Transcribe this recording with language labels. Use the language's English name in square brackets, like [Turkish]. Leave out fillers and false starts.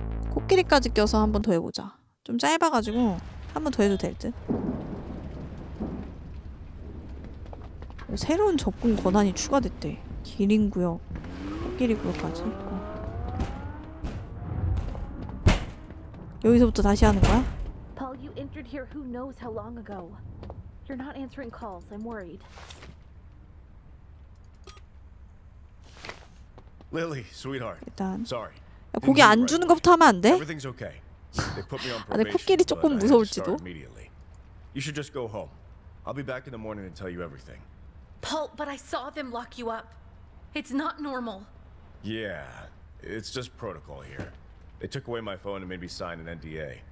[Korean] 코끼리까지 껴서 한 번 더 해보자. 좀 짧아가지고 한 번 더 해도 될 듯. 새로운 접근 권한이 추가됐대. 기린 구역, 코끼리 구역까지. 여기서부터 다시 하는 거야? [English] Paul, you entered here who knows how long ago. You're not answering calls. I'm worried. Lily, sweetheart. [Korean] 일단 [English] sorry. [Korean] 야, 고기 안 주는 것부터 하면 안 돼? [English] Everything's okay. They put me on probation. [Korean] 아, 내 코끼리 조금 무서울지도. [English] You should just go home. I'll be back in the morning and tell you everything. Paul, but I saw them lock you up. It's not normal. Yeah, it's just protocol here. They took away my phone and made me sign an NDA.